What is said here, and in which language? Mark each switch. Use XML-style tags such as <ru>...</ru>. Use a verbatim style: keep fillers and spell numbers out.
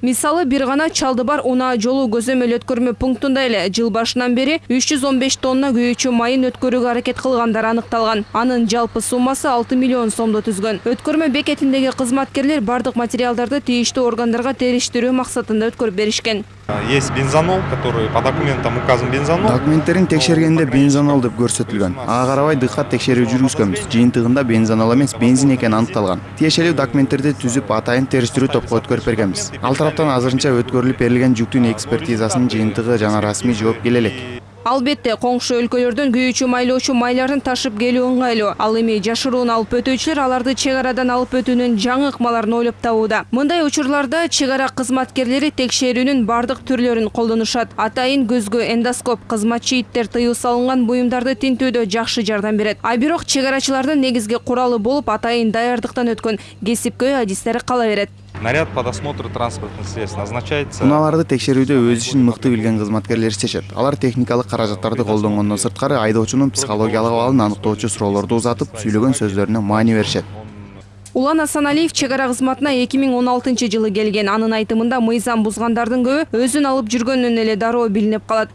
<ky>Мисалы бир гана Чалдыбар унаа жолу көзөмөл өткөрмө пунктунда эле жыл башынан бери үч жүз он беш тонна күйүүчү майын өткөрүүгө аракет кылгандар аныкталган. Анын жалпы суммасы алты миллион сомду түзгөн. Өткөрмө бекети деги кызматкерлер бардык материалдарды тийиштүү органдарга териштирүү максатында өткөрүп беришкен.</ky> <ru>Есть бензонол, который по документам указан бензонол.</ru> <ky>Документтерин текшергенде бензонол деп көрсөтүлгөн. Ага карабай дыккат текшерүү жүргүзгөнбүз. Жыйынтыгында бензонол эмес, бензин экени аныкталган. Тиешелүү документтерди түзүп, атайын териштирүү топко өткөрүп бергенбиз. Ал тараптан азырынча өткөрүлүп берилген жүктүн экспертизасынын жыйынтыгы жана расмий жооп келе элек. Албетте, коңшу өлкөлөрдөн күйүүчү майлоочу майларын ташып келүү ыңгайлуу. Ал эми жашыруун алып өтүүчүлөр аларды чек арадан алып өтүүнүн жаңы ыкмаларын ойлоп табууда. Мындай учурларда чек ара кызматкерлери текшерүүнүн бардык түрлөрүн колдонушат. Атайын көзгө эндоскоп кызматчы иттер тыюу салынган буюмдарды тинтүүдө жакшы жардам берет. Ай бирок чек арачылардын негизги куралы болуп атайын даярдыктан өткөн кесипкөй адистери кала берет.</ky> <ru>Наряд по досмотру транспортных средств назначается.</ru> <ky>Унааларды текшерүүдө өз ишин мыкты билген кызматкерлер чечет. Алар техникалык каражаттарды колдонгондон сырткары айдоочунун психологиялык абалын аныктоочу суроолорду узатып, сүйлөгөн сөздөрүнө маани беришет. Улан Асаналиев чегара кызматына эки миң он алтынчы жылы келген. Анын айтымында мыйзам бузгандардын көбү өзүн алып жүргөнүн эле дароо билинип калат.</ky>